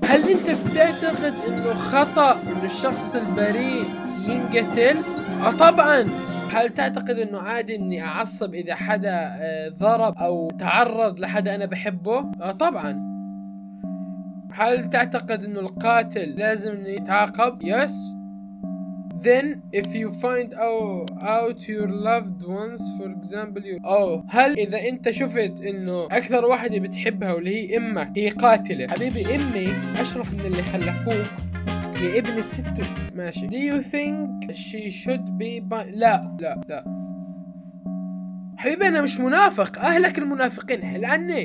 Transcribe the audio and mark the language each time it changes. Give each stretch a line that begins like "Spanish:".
Arabic: هل انت بتعتقد انه خطا انه الشخص البريء ينقتل؟ طبعا. هل تعتقد انه عادي اني اعصب اذا حدا ضرب او تعرض لحدا انا بحبه؟ طبعا. هل تعتقد انه القاتل لازم انه يتعاقب؟ يس.
English: Then if you find out your loved ones for example you...
Arabic: هل اذا انت شفت انه اكثر واحدة بتحبها واللي هي امك هي قاتلة؟ حبيبي امي اشرف من اللي خلفوك يا ابن الست. ماشي.
English: Do you think she should be
Arabic: لا لا لا حبيبي انا مش منافق اهلك المنافقين هلعني.